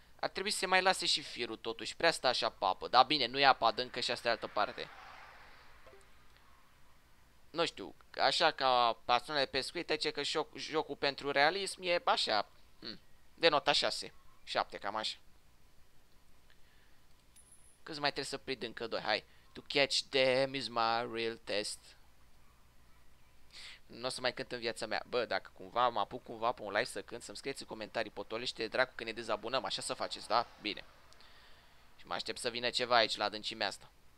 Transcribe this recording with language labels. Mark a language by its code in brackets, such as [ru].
[ro] Ar trebui să se mai lase și firul totuși, prea stă așa pe apă. Dar bine, nu e apa adâncă și asta e altă parte. Nu știu, așa ca pasiunea de pescuit, aici că jocul pentru realism e așa, de nota 6, 7, cam așa. Cât mai trebuie să prind încă doi, hai. [en] To catch them is my real test. [ro] Nu o să mai cânt în viața mea. Bă, dacă cumva mă apuc cumva pe un live să cânt, să-mi scrieți în comentarii, potolește dracu că ne dezabonăm, așa să faceți, da? Bine. Și mă aștept să vină ceva aici, la adâncimea asta.